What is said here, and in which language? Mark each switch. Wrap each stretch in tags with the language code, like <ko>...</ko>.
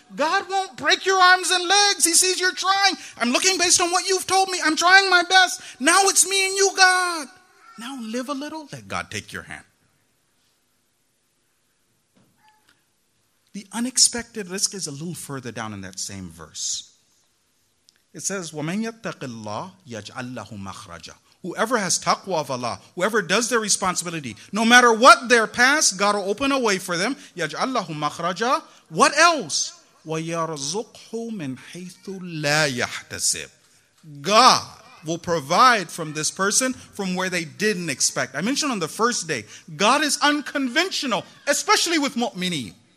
<en>God won't break your arms and legs. He sees you're trying. I'm looking based on what you've told me. I'm trying my best. Now it's me and you, God. Now live a little, let God take your hand. The unexpected risk is a little further down in that same verse. It says,</en> <ar>وَمَنْ يَتَّقِ اللَّهِ يَجْعَلْ لَهُ مَخْرَجًا.</ar> <en>Whoever has taqwa of Allah, whoever does their responsibility, no matter what their past, God will open a way for them.</en> <ar>يَجْعَلْ لَهُ مَخْرَجًا.</ar> <en>What else?</en> <ar>وَيَرْزُقْهُ مِنْ حَيْثُ لَا يَحْتَسِبُ.</ar> <en>God will provide from this person from where they didn't expect. I mentioned on the first day, God is unconventional, especially with mu'mini.</en>